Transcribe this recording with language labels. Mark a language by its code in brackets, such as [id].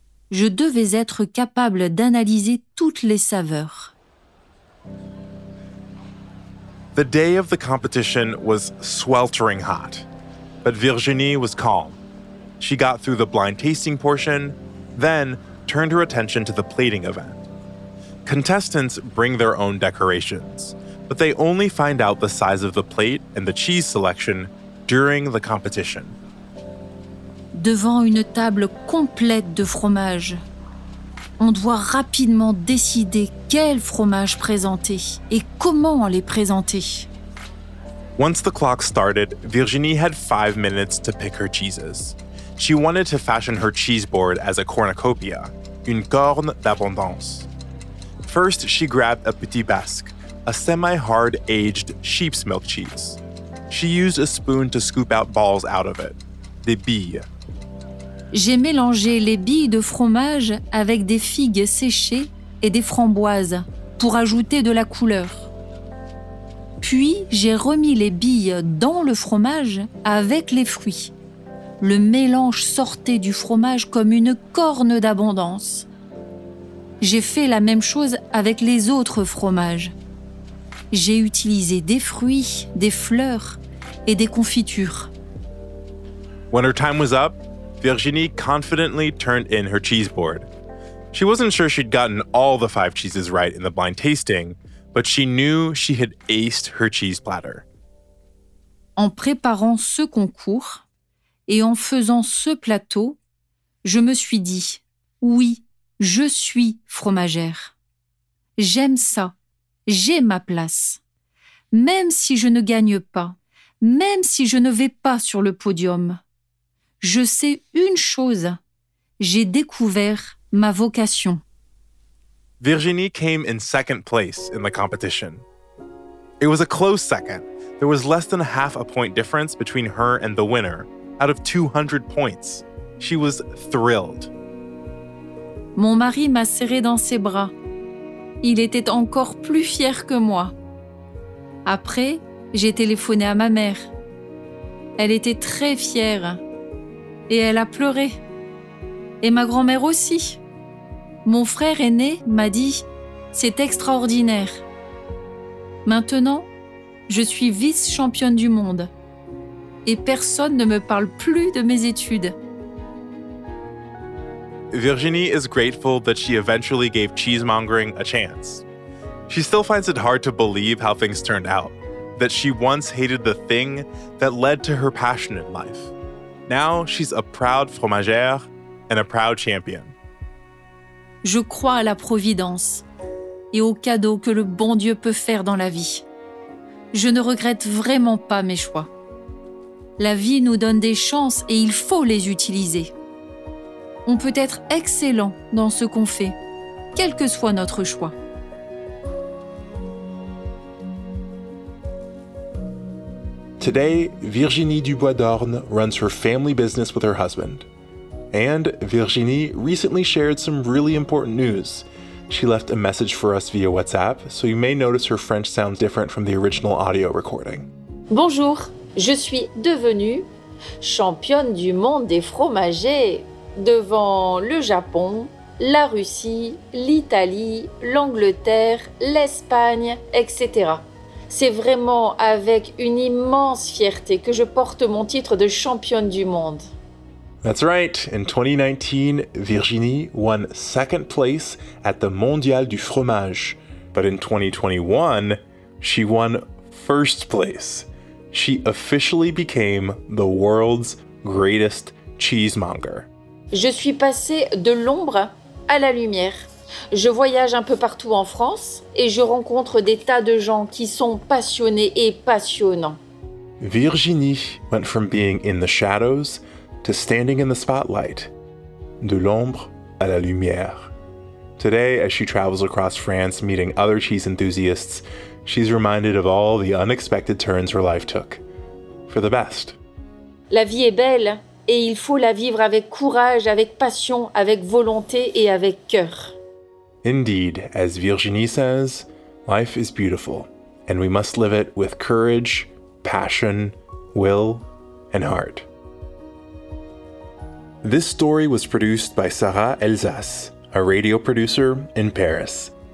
[fr] Je devais être capable d'analyser toutes les saveurs. [en] The day of the competition was sweltering hot, but Virginie was calm. She got through the blind tasting portion, then turned her attention to the plating event. Contestants bring their own decorations, but they only find out the size of the plate and the cheese selection during the competition. [fr] Devant une table complète de fromages, on doit rapidement décider quel fromage présenter et comment les présenter. [en] Once the clock started, Virginie had 5 minutes to pick her cheeses. She wanted to fashion her cheese board as a cornucopia, [fr] une corne d'abondance. [en] First, she grabbed a petit basque, a semi-hard aged sheep's milk cheese. She used a spoon to scoop out balls out of it, [fr] des billes. j'ai mélangé les billes de fromage avec des figues séchées et des framboises pour ajouter de la couleur. Puis, j'ai remis les billes dans le fromage avec les fruits. Le mélange sortait du fromage comme une corne d'abondance. J'ai fait la même chose avec les autres fromages. J'ai utilisé des fruits, des fleurs et des confitures. [en] When her time was up, Virginie confidently turned in her cheese board. She wasn't sure she'd gotten all the 5 cheeses right in the blind tasting, but she knew she had aced her cheese platter. [fr] En préparant ce concours et en faisant ce plateau, je me suis dit, oui, je suis fromagère. J'aime ça. J'ai ma place. Même si je ne gagne pas, même si je ne vais pas sur le podium, je sais une chose, j'ai découvert ma vocation. [en] Virginie came in second place in the competition. It was a close second. There was less than half a point difference between her and the winner. Out of 200 points, she was thrilled. [fr] Mon mari m'a serré dans ses bras. Il était encore plus fier que moi. Après, j'ai téléphoné à ma mère. Elle était très fière. Et elle a pleuré. Et ma grand-mère aussi. Mon frère aîné m'a dit « C'est extraordinaire. » Maintenant, je suis vice-championne du monde. Et personne ne me parle plus de mes études. [en] Virginie is grateful that she eventually gave cheesemongering a chance. She still finds it hard to believe how things turned out, that she once hated the thing that led to her passion in life. Now she's a proud fromagère and a proud champion. [fr] Je crois à la providence et aux cadeaux que le bon Dieu peut faire dans la vie. Je ne regrette vraiment pas mes choix. La vie nous donne des chances et il faut les utiliser. On peut être excellent dans ce qu'on fait, quel que soit notre choix. [en] Today, Virginie Dubois d'Orne runs her family business with her husband. And Virginie recently shared some really important news. She left a message for us via WhatsApp, so you may notice her French sounds different from the original audio recording. [fr] Bonjour, je suis devenue championne du monde des fromagers. Devant le Japon, la Russie, l'Italie, l'Angleterre, l'Espagne, etc. C'est vraiment avec une immense fierté que je porte mon titre de championne du monde. [en] That's right. In 2019, Virginie won second place at the Mondial du Fromage. But in 2021, she won first place. She officially became the world's greatest cheesemonger. [fr] Je suis passée de l'ombre à la lumière. Je voyage un peu partout en France et je rencontre des tas de gens qui sont passionnés et passionnants. [en] Virginie went from being in the shadows to standing in the spotlight. [fr] De l'ombre à la lumière. [en] Today, as she travels across France meeting other cheese enthusiasts, she's reminded of all the unexpected turns her life took. For the best. [fr] La vie est belle. Et il faut la vivre avec courage, avec passion, avec volonté et avec cœur. [en] Indeed, as Virginie says, life is beautiful, and we must live it with courage, passion, will, and heart. This story was produced by Sarah Elzas, a radio producer in Paris.